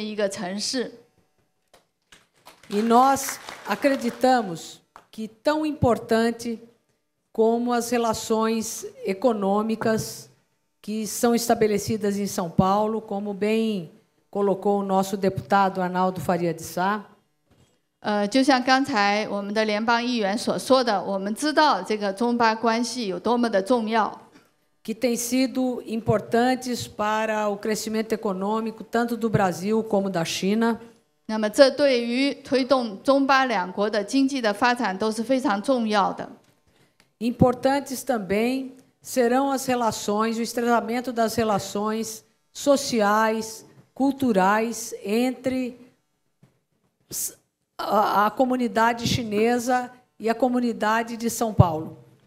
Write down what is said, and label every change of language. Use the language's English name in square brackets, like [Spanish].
[Chinese] 怀抱欢迎来圣保罗创业发展的这么一个城市。 [Portuguese] E nós acreditamos que tão importante como as relações econômicas que são estabelecidas em São Paulo, como bem colocou o nosso deputado Arnaldo Faria de Sá. [Chinese] 就像刚才我们的联邦议员所说的，我们知道这个中巴关系有多么的重要。 [Portuguese] que têm sido importantes para o crescimento econômico, tanto do Brasil como da China. Importantes também serão as relações, o estreitamento das relações sociais, culturais entre a comunidade chinesa e a comunidade de São Paulo.